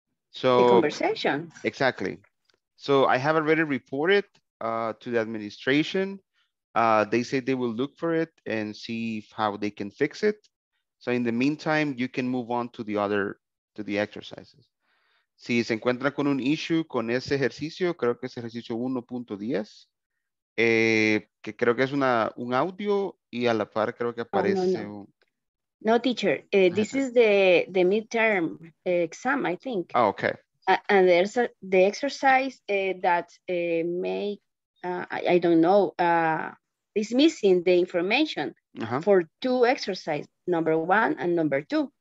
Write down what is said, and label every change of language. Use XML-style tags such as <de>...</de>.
<en>So the conversation. Exactly. So I have already reported to the administration. They say they will look for it and see how they can fix it. So in the meantime, you can move on to the exercises.</en> <es>Si se encuentra con un issue con ese ejercicio, creo que es ejercicio 1.10, que creo que es un audio y a la par creo que aparece.</es> <en>Oh, no, teacher, this is the midterm exam, I think. Oh, okay. And there's the exercise that I don't know, is missing the information. Uh-huh. For two exercises, number 1 and number 2.</en>